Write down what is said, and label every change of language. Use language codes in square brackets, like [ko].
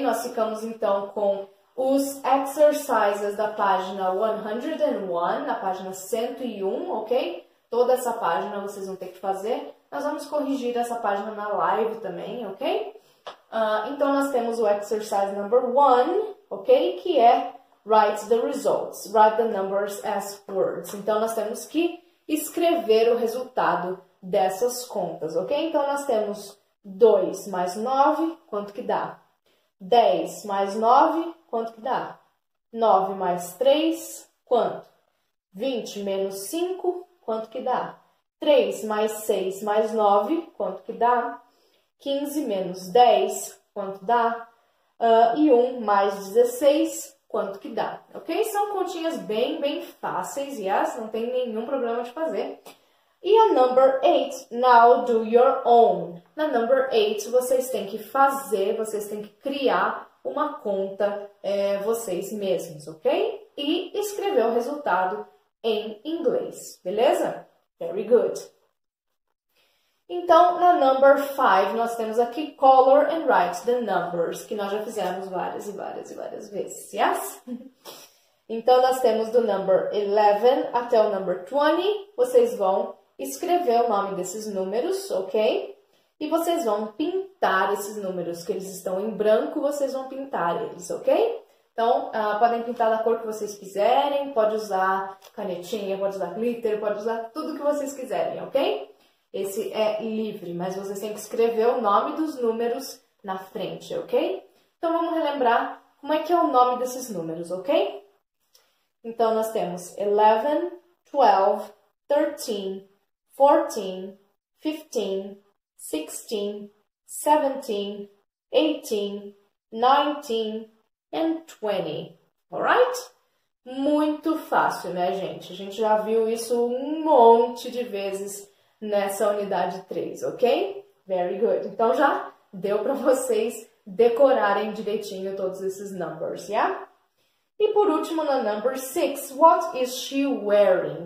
[pt] Nós ficamos então com os exercises da página 101, na página 101, ok? Toda essa página vocês vão ter que fazer. Nós vamos corrigir essa página na live também, ok? Então nós temos o exercise number one, ok? Que é [en] write the results, write the numbers as words. [pt] Então nós temos que escrever o resultado dessas contas, ok? Então, nós temos 2 mais 9, quanto que dá? 10 mais 9, quanto que dá? 9 mais 3, quanto? 20 menos 5, quanto que dá? 3 mais 6 mais 9, quanto que dá? 15 menos 10, quanto dá? E 1 mais 16, quanto que dá, ok? São continhas bem, bem fáceis, yes? Não tem nenhum problema de fazer. [en] E a number 8, now do your own. [pt] Na number 8, vocês têm que fazer, vocês têm que criar uma conta vocês mesmos, ok? E escrever o resultado em inglês, beleza? [en] Very good. [pt] Então, na number 5, nós temos aqui [en] color and write the numbers, [pt] que nós já fizemos várias e várias e várias vezes, yes? Então, nós temos do number 11 até o number 20, vocês vão escrever o nome desses números, ok? E vocês vão pintar esses números, que eles estão em branco, vocês vão pintar eles, ok? Então, podem pintar da cor que vocês quiserem, pode usar canetinha, pode usar glitter, pode usar tudo que vocês quiserem, ok? Esse é livre, mas vocês têm que escrever o nome dos números na frente, ok? Então, vamos relembrar como é que é o nome desses números, ok? Então, nós temos 11, 12, 13, 14, 15, 16, 17, 18, 19, and 20, alright? Muito fácil, né, gente? A gente já viu isso um monte de vezes nessa unidade 3, ok? [en] Very good. [pt] Então já deu para vocês decorarem direitinho todos esses numbers, yeah? E por último, na [en] number 6, what is she wearing?